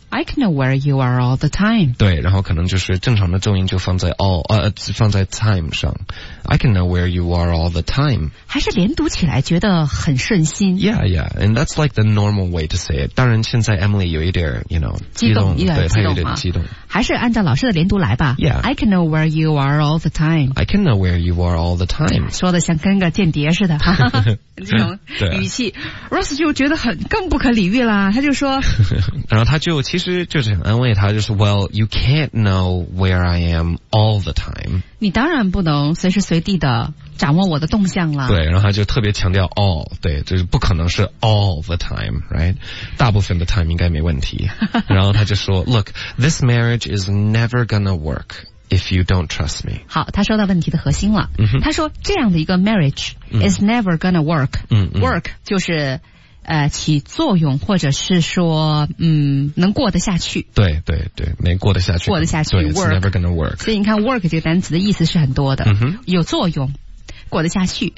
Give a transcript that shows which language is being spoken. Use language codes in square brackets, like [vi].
[en] I can know where you are all the time。 [zh] 对，然后可能就是正常的重音就放在 all， 放在 time 上。 [en] I can know where you are all the time， [zh] 还是连读起来觉得很顺心。 [en] Yeah yeah， and that's like the normal way to say it。 [zh] 当然现在 Emily 有一点 [en] you know [zh] 激动，对，她有点激动，还是按照老师的连读来吧。 [en] Yeah， I can know where you are all the time， I can know where you are all the time， [zh] 说的像跟个间谍似的，哈哈这种语气。啊， Ross 就觉得很更不可理喻啦，他就说然后他就其实就是很安慰他，就是 [en] Well you can't know where I am all the time， [zh] 你当然不能随时随地的掌握我的动向了。对，然后他就特别强调 all， 对，就是不可能是 all the time， right， 大部分的 time 应该没问题。然后他就说 [en] Look this marriage is never gonna workIf you don't trust me， [zh] 好，他说到问题的核心了。嗯，他说这样的一个 [en] marriage is never gonna work。 [zh] 嗯， work 就是起作用，或者是说能过得下去。对对对，没过得下去。过得下去，对 [en] work， it's never gonna work。 [zh] 所以你看 work 这个单词的意思是很多的，有作用，过得下去。